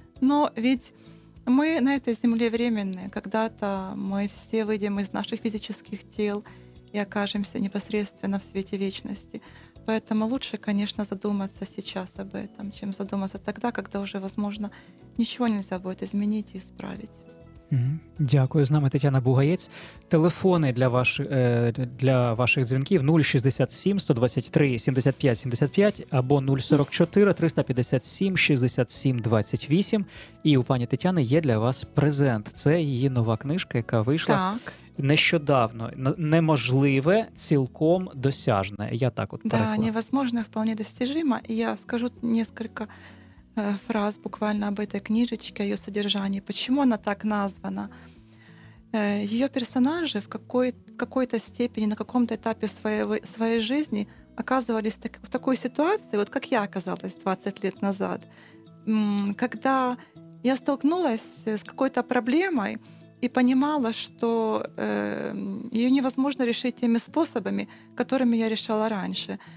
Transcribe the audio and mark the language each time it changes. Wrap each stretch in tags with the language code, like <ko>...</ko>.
<ru>Но ведь мы на этой земле временные. Когда-то мы все выйдем из наших физических тел и окажемся непосредственно в свете вечности. Поэтому лучше, конечно, задуматься сейчас об этом, чем задуматься тогда, когда уже, возможно, ничего нельзя будет изменить и исправить.</ru> <uk>Дякую. З нами Тетяна Бугаєць. Телефони для ваших дзвінків 067-123-75-75 або 044-357-67-28. І у пані Тетяни є для вас презент. Це її нова книжка, яка вийшла так нещодавно. Неможливе, цілком досяжне. Я так от перекладу.</uk> <ru>Так, невозможне, вполне достижимо. Я скажу несколько фраз буквально об этой книжечке, о ее содержании. Почему она так названа? Ее персонажи в какой-то степени, на каком-то этапе своей жизни оказывались в такой ситуации, вот как я оказалась 20 лет назад, когда я столкнулась с какой-то проблемой и понимала, что ее невозможно решить теми способами, которыми я решала раньше.</ru>